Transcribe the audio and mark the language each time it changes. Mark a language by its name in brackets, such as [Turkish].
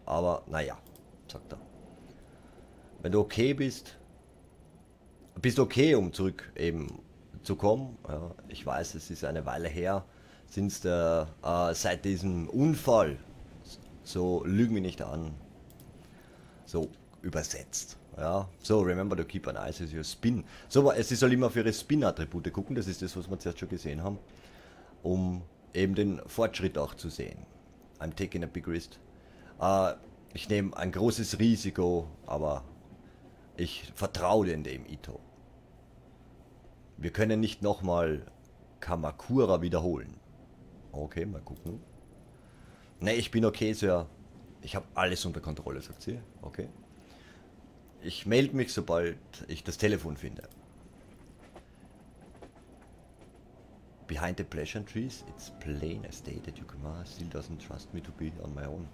[German] Aber naja, sagt er. Wenn du okay bist, bist du okay, um zurück eben zu kommen. Ja, ich weiß, es ist eine Weile her, seit diesem Unfall. So, lüg mich nicht an. So, übersetzt. [English] Ja, so, remember to keep an eye on your spin. [German] So, aber sie soll immer für ihre Spin-Attribute gucken. Das ist das, was wir zuerst schon gesehen haben. Um eben den Fortschritt auch zu sehen. [English] I'm taking a big risk. [German] Ich nehme ein großes Risiko, aber ich vertraue dir in dem Ito. Wir können nicht nochmal Kamakura wiederholen. Okay, mal gucken. Ne, ich bin okay, Sir. Ich habe alles unter Kontrolle, sagt sie. Okay. Ich melde mich, sobald ich das Telefon finde. [English] Behind the pleasant trees, it's plain as day that Yukima still doesn't trust me to be on my own.